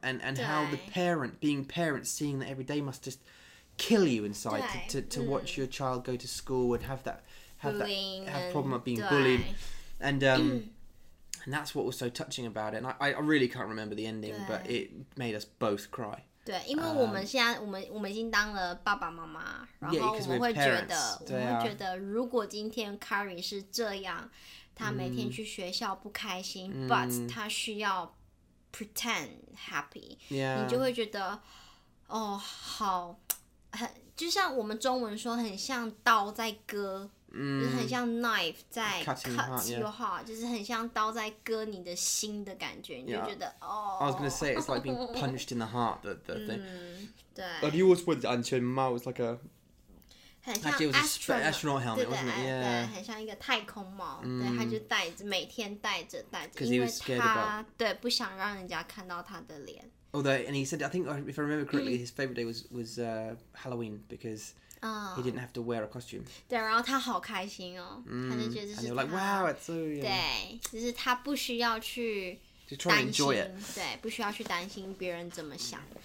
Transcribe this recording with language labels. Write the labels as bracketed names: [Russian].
[English] And how the parent, being parents, seeing that every day must justkill you inside to watch your child go to school and have that problem of being bullied and that's what was so touching about it and I really can't remember the ending but it made us both cry [Chinese] 对因为我们现在我们已经当了爸爸妈妈然后我们会觉得 [English] yeah, [Chinese] 我们会觉得如果今天 Curry 是这样他每天去学校不开心 but 他需要 [English] pretend happy、 yeah. [Chinese] 你就会觉得哦好就像我们中文说，很像刀在割，就是很像 knife 在 [English] cut your heart，、 yeah. [Chinese] 就是很像刀在割你的心的感觉， [English] yeah. [Chinese] 你就觉得哦。 [English] I was gonna say it's like being punched in the heart, the thing. [Chinese] 对。 [English] Have you always worn the [Chinese] 安全帽 [English] It's like a. [Chinese] 很像 [English] astronaut helmet, [Chinese] 对对 [English] wasn't it? Yeah. [Chinese] 对，很像一个太空帽。对，他就戴着，每天戴着，因为他 对不想让人家看到他的脸。 [English] Although, and he said, I think if I remember correctly, his favourite day was Halloween because he didn't have to wear a costume. [Chinese] 对，然后他好开心哦，他就觉得是。 [English] And you're like, wow, it's so. Yeah. [Chinese] 对，就是他不需要去担心。 [English] To try and enjoy it. [Chinese] 对，不需要去担心别人怎么想。